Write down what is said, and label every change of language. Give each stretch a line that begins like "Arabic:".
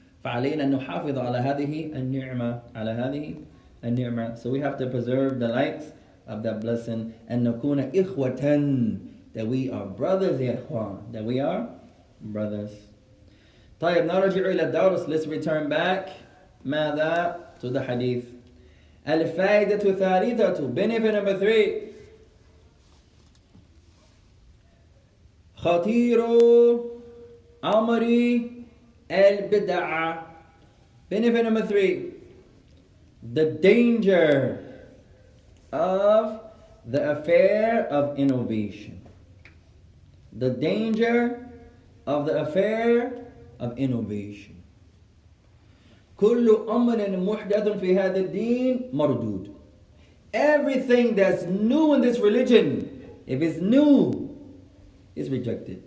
Arabic: فعلينا نحافظ على هذه النعمة, على هذه النعمة.
English: So we have to preserve the likes of that blessing, and
Arabic: نكون إخوة,
English: that we are brothers, ya ikhwan, that we are brothers.
Arabic: طيب نرجع إلى الدرس.
English: Let's return back.
Arabic: ماذا
English: to the hadith.
Arabic: الفائدة الثالثة,
English: benefit number three.
Arabic: خطير أمر البدعة.
English: Benefit number three. The danger of the affair of innovation. The danger of the affair of innovation.
Arabic: كل أمر محدث في هذا الدين مردود.
English: Everything that's new in this religion, if it's new, is rejected.